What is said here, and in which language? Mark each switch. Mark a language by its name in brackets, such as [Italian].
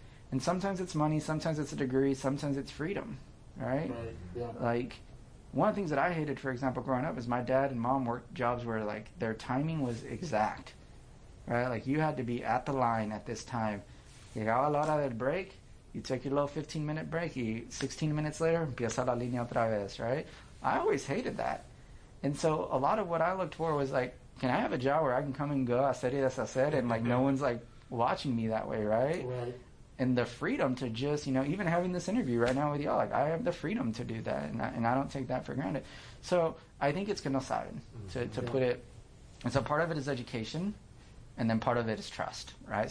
[English] And sometimes it's money, sometimes it's a degree, sometimes it's freedom, right? Right. Yeah. Like, one of the things that I hated, for example, growing up is my dad and mom worked jobs where, like, their timing was exact, right? Like, you had to be at the line at this time. You got a lot of that break. You take your little 15-minute break. 16 minutes later, [Spanish] empieza la línea otra vez, [English] right? I always hated that. And so a lot of what I looked for was like, can I have a job where I can come and go, [Spanish] hacer y deshacer, [English] and like no one's like watching me that way, right? Right. And the freedom to just, you know, even having this interview right now with y'all, like I have the freedom to do that, and I don't take that for granted. So I think it's gonna sign to put it. And so part of it is education, and then part of it is trust, right?